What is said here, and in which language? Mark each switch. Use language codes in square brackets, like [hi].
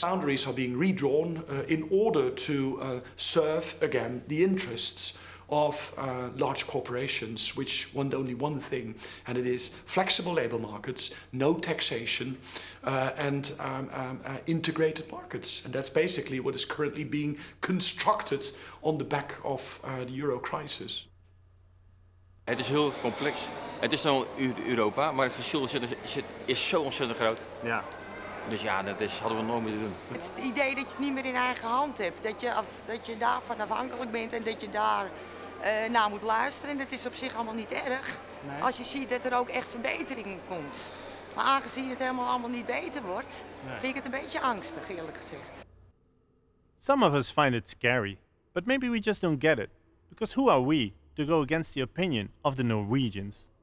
[en] Boundaries are being redrawn in order to serve, again, the interests of large corporations, which want only one thing, and it is flexible labor markets, no taxation, and integrated markets. And that's basically what is currently being constructed on the back of the euro crisis. [nl] Het is heel complex. Het is nou Europa, maar het verschil is zo ontzettend groot. Ja. Dus ja, dat is, hadden we nooit meer te doen. Het is het idee dat je het niet meer in eigen hand hebt. Dat je daarvan afhankelijk bent en dat je daar naar moet luisteren. En dat is op zich allemaal niet erg. Nee. Als je ziet dat er ook echt verbetering in komt. Maar aangezien het helemaal allemaal niet beter wordt, nee. Vind ik het een beetje angstig, eerlijk gezegd. [en] Some of us find it scary. But maybe we just don't get it. Because who are we to go against the opinion of the Norwegians?